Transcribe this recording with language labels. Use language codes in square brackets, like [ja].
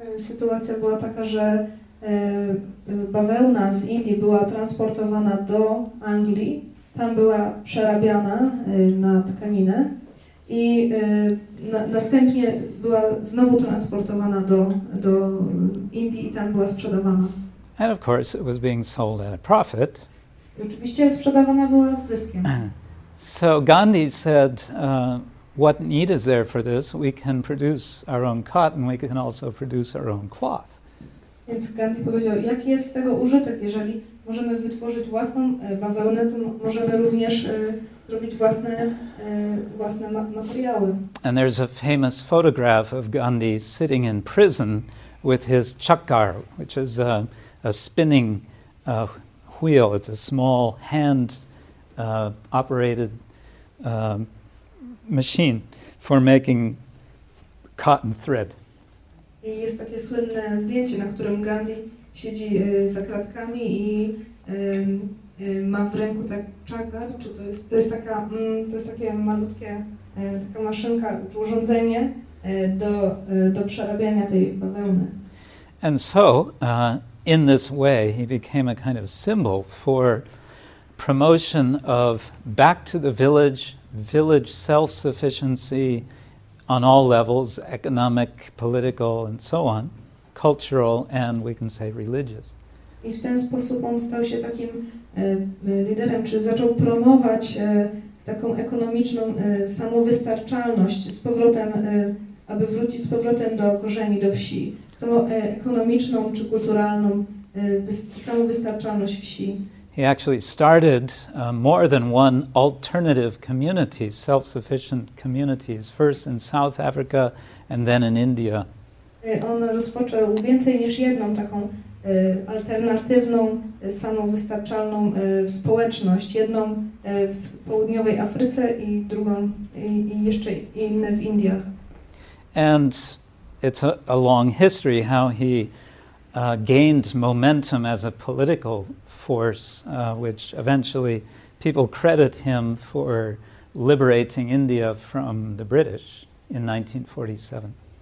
[pl] Sytuacja była taka, że bawełna z Indii była transportowana do Anglii, tam była przerabiana na tkaninę i następnie była znowu transportowana do Indii i tam była sprzedawana. [en] And of course it was being sold at a profit. [pl] I oczywiście sprzedawana była z zyskiem. [en] So Gandhi said, what need is there for this? We can produce our own cotton, we can also produce our own cloth. [pl] Więc Gandhi powiedział, jaki jest z tego użytek, jeżeli możemy wytworzyć własną bawełnę, to możemy również zrobić własne materiały. [en] And there's a famous photograph of Gandhi sitting in prison with his chakkar, which is a spinning wheel. It's a small hand operated machine for making cotton thread. [pl] I jest takie słynne zdjęcie, na którym Gandhi siedzi za kratkami i ma w ręku tak czakar, czy to jest takie malutkie taka maszynka, urządzenie do przerabiania tej bawełny. [en] And so in this way he became a kind of symbol for promotion of back to the village self-sufficiency on all levels, economic, political, and so on, cultural, and we can say religious. [pl] I w ten sposób on stał się takim liderem, czy zaczął promować taką ekonomiczną samowystarczalność z powrotem, aby wrócić z powrotem do korzeni, do wsi. Ekonomiczną czy kulturalną samowystarczalność wsi. [en] He actually started more than one alternative community, self-sufficient communities, first in South Africa and then in India. [pl] On rozpoczął więcej niż jedną taką alternatywną, samowystarczalną społeczność. Jedną w południowej Afryce i drugą i jeszcze inne w Indiach. [en] And it's a long history how he gained momentum as a political force, which eventually people credit him for liberating India from the British in 1947.